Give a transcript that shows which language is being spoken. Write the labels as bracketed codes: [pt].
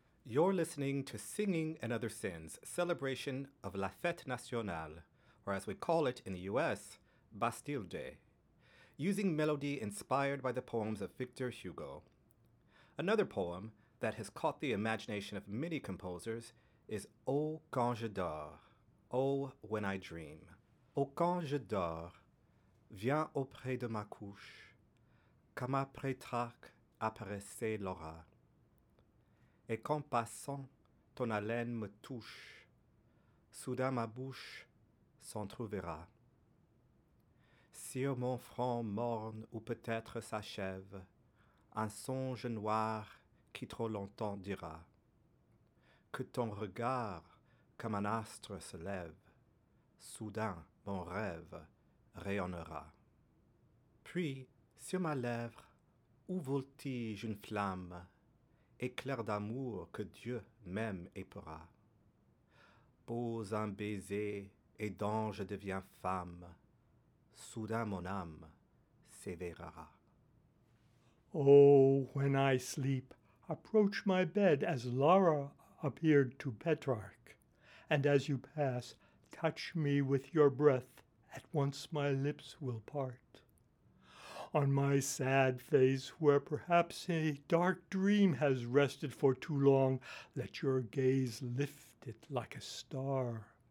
[en] You're listening to Singing and Other Sins, celebration of La Fête Nationale, or as we call it in the U.S., Bastille Day, using melody inspired by the poems of Victor Hugo. Another poem that has caught the imagination of many composers is O Quand Je Dors, O When I Dream. [fr] O Quand Je Dors, viens auprès de ma couche, comme après trac apparaissait l'aura. Et qu'en passant, ton haleine me touche, soudain ma bouche s'entrouvera. Sur mon front morne où peut-être s'achève un songe noir qui trop longtemps dira que ton regard, comme un astre se lève, soudain mon rêve rayonnera. Puis, sur ma lèvre, où voltige une flamme, éclair d'amour que Dieu même épera. Pose un baiser et d'ange devient femme, soudain mon âme s'éveillera. [en] Oh, when I sleep, approach my bed as Laura appeared to Petrarch, and as you pass, touch me with your breath, at once my lips will part. On my sad face, where perhaps a dark dream has rested for too long, let your gaze lift it like a star.